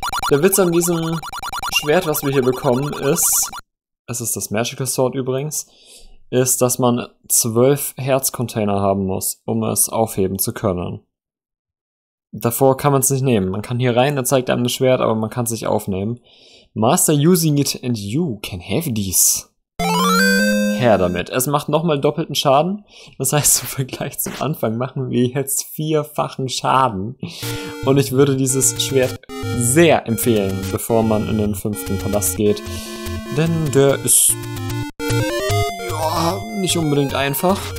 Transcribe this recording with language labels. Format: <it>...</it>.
<de>Der Witz an diesem Schwert, was wir hier bekommen, ist, es ist das Magical Sword übrigens, ist, dass man 12 Herzcontainer haben muss, um es aufheben zu können. Davor kann man es nicht nehmen. Man kann hier rein, er zeigt einem das Schwert, aber man kann es nicht aufnehmen.</de> <en>Master using it and you can have these.</en> <de>Her damit. Es macht nochmal doppelten Schaden. Das heißt, im Vergleich zum Anfang machen wir jetzt vierfachen Schaden. Und ich würde dieses Schwert sehr empfehlen, bevor man in den fünften Palast geht. Denn der ist ja nicht unbedingt einfach.</de>